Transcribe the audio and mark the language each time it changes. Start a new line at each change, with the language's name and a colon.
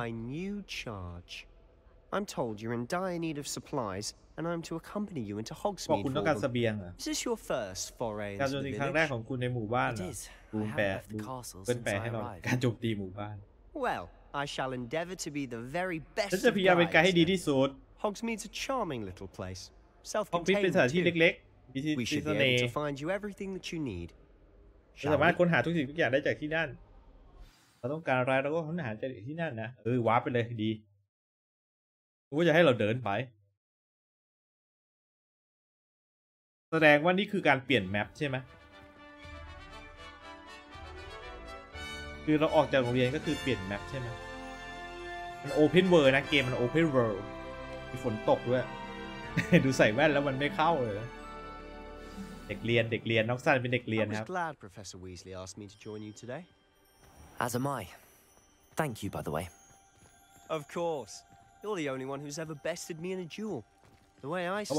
English: My new charge I'm told you're in dire need of supplies and I'm to accompany you into Hogsmeade
Thai: บอกคุณต้องการเสบียงอ่ะ
English: This is your first foray
Thai: การโจมตีครั้งแรกของคุณในหมู่บ้านเหรอดูแปลเป็นแปลให้หน่อยการโจมตีหมู่บ้าน
English: WellI shall endeavor to be the very best.
Thai: ฉันจะพยายามเป็นไกด์ให้ดีที่สุด
English: Hogsmeade's a charming little place. Self-contained.
Thai: เป็นสถานที่เล็กๆ
English: We should be able to find you everything that you need.
Thai: เราสามารถค้นหาทุกสิ่งทุกอย่างได้จากที่นั่นเราต้องการอะไรเราก็ค้นหาจากที่นั่นนะเออวาร์ปไปเลยดีกูจะให้เราเดินไปแสดงว่านี่คือการเปลี่ยนแมปใช่ไหมคือเราออกจากโรงเรียนก็คือเปลี่ยนแมปใช่ไหมมันโอเพนเวิลด์นะเกมมันโอเพนเวิลด์มีฝนตกด้วย ดูใส่แว่นแล้วมันไม่เข้าเลย เด็กเรียนเด็กเรียนน้องซันเป็นเด็กเรียนนะครับ
English: I'm glad Professor Weasley asked me to join you today As am I Thank you by the way Of course You're the only one who's ever bested me in a duel The way I see